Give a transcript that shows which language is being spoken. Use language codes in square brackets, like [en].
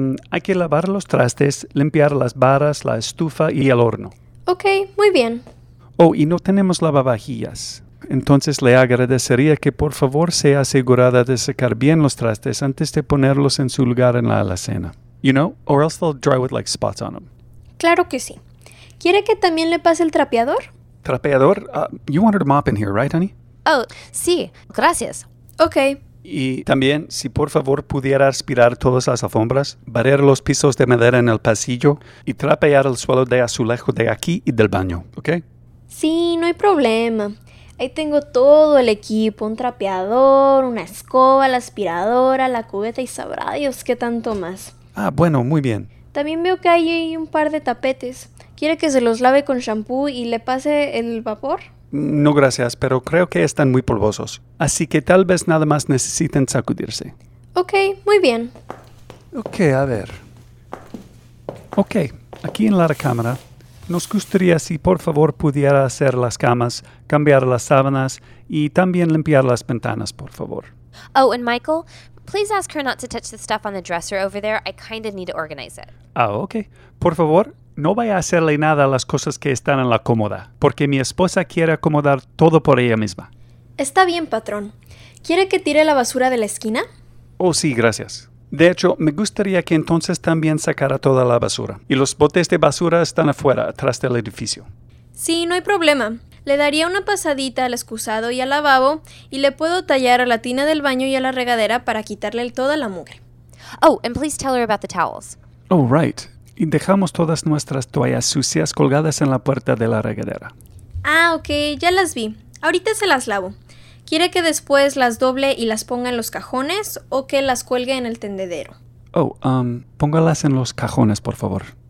[es] Hay que lavar los trastes, limpiar las barras, la estufa y el horno. Ok, muy bien. Oh, y no tenemos lavavajillas. Entonces le agradecería que por favor sea asegurada de secar bien los trastes antes de ponerlos en su lugar en la alacena. [en] You know, or else they'll dry with like spots on them. [es] Claro que sí. ¿Quiere que también le pase el trapeador? ¿Trapeador? [en] You want her to mop in here, right, honey? [es] Oh, sí. Gracias. Ok. Y también, si por favor pudiera aspirar todas las alfombras, barrer los pisos de madera en el pasillo y trapear el suelo de azulejo de aquí y del baño, ¿ok? Sí, no hay problema. Ahí tengo todo el equipo, un trapeador, una escoba, la aspiradora, la cubeta y sabrá Dios qué tanto más. Ah, bueno, muy bien. También veo que hay un par de tapetes. ¿Quiere que se los lave con shampoo y le pase el vapor? No, gracias, pero creo que están muy polvosos. Así que tal vez nada más necesiten sacudirse. Ok, muy bien. Ok, a ver. Ok, aquí en la recámara, nos gustaría si por favor pudiera hacer las camas, cambiar las sábanas y también limpiar las ventanas, por favor. [en] Oh, and Michael, please ask her not to touch the stuff on the dresser over there. I kind of need to organize it. Ah, ok. [es] Por favor, no vaya a hacerle nada a las cosas que están en la cómoda, porque mi esposa quiere acomodar todo por ella misma. Está bien, patrón. ¿Quiere que tire la basura de la esquina? Oh, sí, gracias. De hecho, me gustaría que entonces también sacara toda la basura. Y los botes de basura están afuera, atrás del edificio. Sí, no hay problema. Le daría una pasadita al excusado y al lavabo, y le puedo tallar a la tina del baño y a la regadera para quitarle toda la mugre. [en] Oh, and please tell her about the towels. Oh, right. [es] Y dejamos todas nuestras toallas sucias colgadas en la puerta de la regadera. Ah, ok, ya las vi. Ahorita se las lavo. ¿Quiere que después las doble y las ponga en los cajones o que las cuelgue en el tendedero? Póngalas en los cajones, por favor.